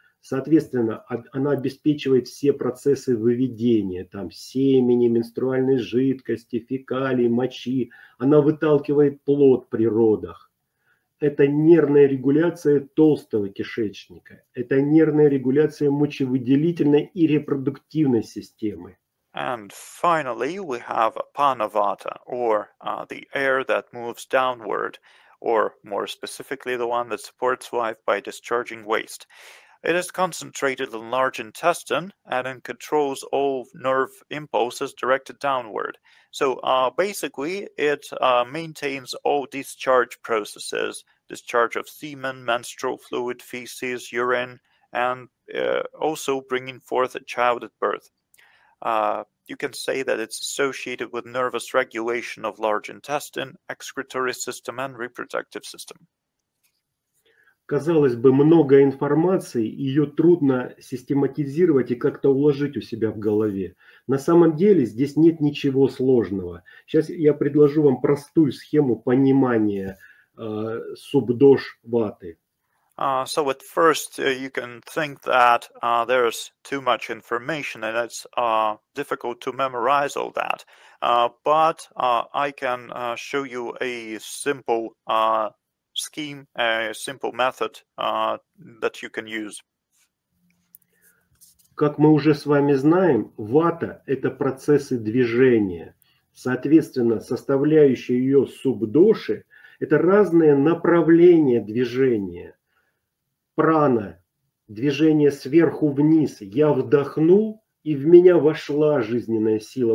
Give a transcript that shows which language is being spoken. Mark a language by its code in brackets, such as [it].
[ru] Соответственно, она обеспечивает все процессы выведения, там семени, менструальной жидкости, фекалий, мочи. Она выталкивает плод при родах. Это нервная регуляция толстого кишечника. Это нервная регуляция мочевыделительной и репродуктивной системы. [en] And finally, we have Apanavata, or the air that moves downward, or more specifically, the one that supports life by discharging waste. It is concentrated in large intestine and it controls all nerve impulses directed downward. So basically, it maintains all discharge processes, discharge of semen, menstrual fluid, feces, urine, and also bringing forth a child at birth. You can say that it's associated with nervous regulation of large intestine, excretory system, and reproductive system. [ru] Казалось бы, много информации, ее трудно систематизировать и как-то уложить у себя в голове. На самом деле здесь нет ничего сложного. Сейчас я предложу вам простую схему понимания субдош-ваты. [en] So at first you can think that there's too much information and it's difficult to memorize all that. But I can show you a simple scheme, a simple method that you can use. [ru] Как мы уже с вами знаем, вата – это процессы движения. Соответственно, составляющие ее субдоши – это разные направления движения. Прана, движение сверху вниз, я вдохнул, и в меня вошла жизненная сила.